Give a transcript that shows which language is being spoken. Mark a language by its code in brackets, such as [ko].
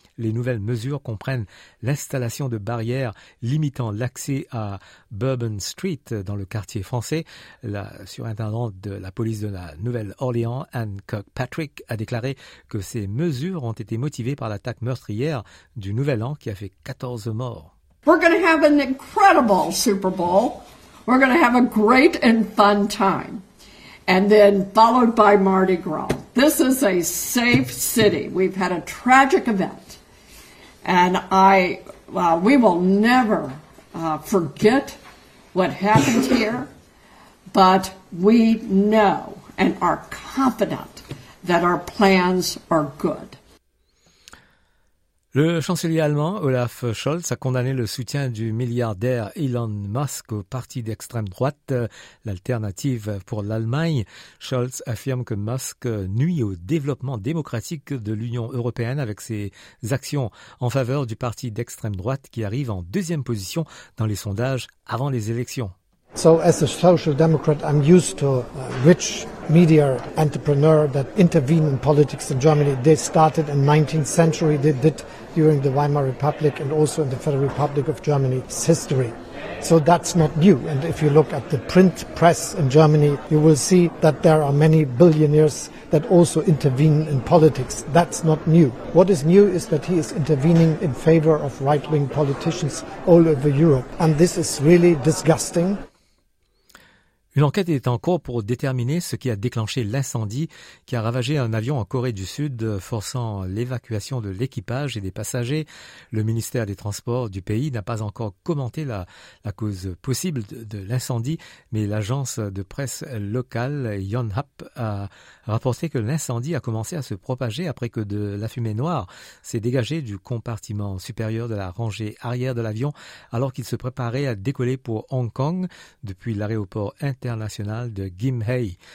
[fr] Les nouvelles mesures comprennent l'installation de barrières limitant l'accès à Bourbon Street dans le quartier français. La surintendante de la police de la Nouvelle-Orléans, Anne Kirkpatrick, a déclaré que ces mesures ont été motivées par l'attaque meurtrière du Nouvel An qui a fait 14 morts. [en] We're going to have an incredible Super Bowl. We're going to have a great and fun time. And then followed by Mardi Gras. This is a safe city. We've had a tragic event. And we will never forget what happened here. But we know and are confident that our plans are good. [fr] Le chancelier allemand Olaf Scholz a condamné le soutien du milliardaire Elon Musk au parti d'extrême droite, l'Alternative pour l'Allemagne. Scholz affirme que Musk nuit au développement démocratique de l'Union européenne avec ses actions en faveur du parti d'extrême droite qui arrive en deuxième position dans les sondages avant les élections. [en] So as a social democrat, I'm used to rich media entrepreneurs that intervene in politics in Germany. They started in 19th century. They did during the Weimar Republic and also in the Federal Republic of Germany's history. So that's not new. And if you look at the print press in Germany, you will see that there are many billionaires that also intervene in politics. That's not new. What is new is that he is intervening in favor of right-wing politicians all over Europe. And this is really disgusting. [fr] Une enquête est en cours pour déterminer ce qui a déclenché l'incendie qui a ravagé un avion en Corée du Sud, forçant l'évacuation de l'équipage et des passagers. Le ministère des Transports du pays n'a pas encore commenté la cause possible de l'incendie, mais l'agence de presse locale Yonhap a rapporté que l'incendie a commencé à se propager après que de la fumée noire s'est dégagée du compartiment supérieur de la rangée arrière de l'avion alors qu'il se préparait à décoller pour Hong Kong depuis l'aéroport international de Gimhae.